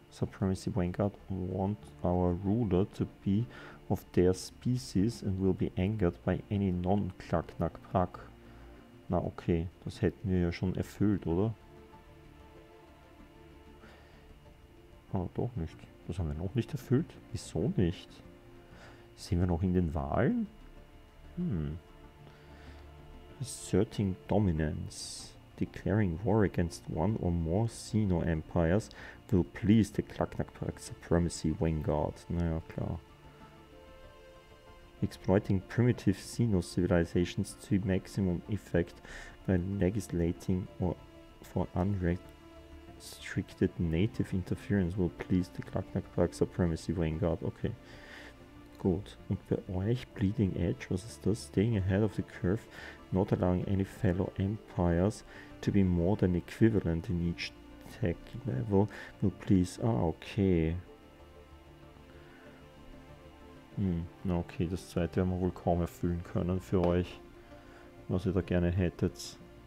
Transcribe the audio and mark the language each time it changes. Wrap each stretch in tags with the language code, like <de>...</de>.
<en>Supremacy Vanguard want our ruler to be of their species and will be angered by any non-Klacknackbrack.</en> <de>Na okay, das hätten wir ja schon erfüllt, oder? Aber doch nicht. Das haben wir noch nicht erfüllt? Wieso nicht? Sind wir noch in den Wahlen?</de> <en>Asserting Dominance. Declaring war against one or more Xeno Empires will please the Klacknackbrack Supremacy Vanguard.</en> <de>Naja, klar.</de> <en>Exploiting primitive Xeno Civilizations to maximum effect by legislating or for unrestricted native interference will please the Klacknackbrack Supremacy Vanguard. Okay.</en> <de>Gut. Und bei euch, Bleeding Edge, was ist das?</de> <en>Staying ahead of the curve, not allowing any fellow empires to be more than equivalent in each tech level will please.</en> <de>Ah, okay. Na okay, das zweite werden wir wohl kaum erfüllen können für euch, was ihr da gerne hättet.</de>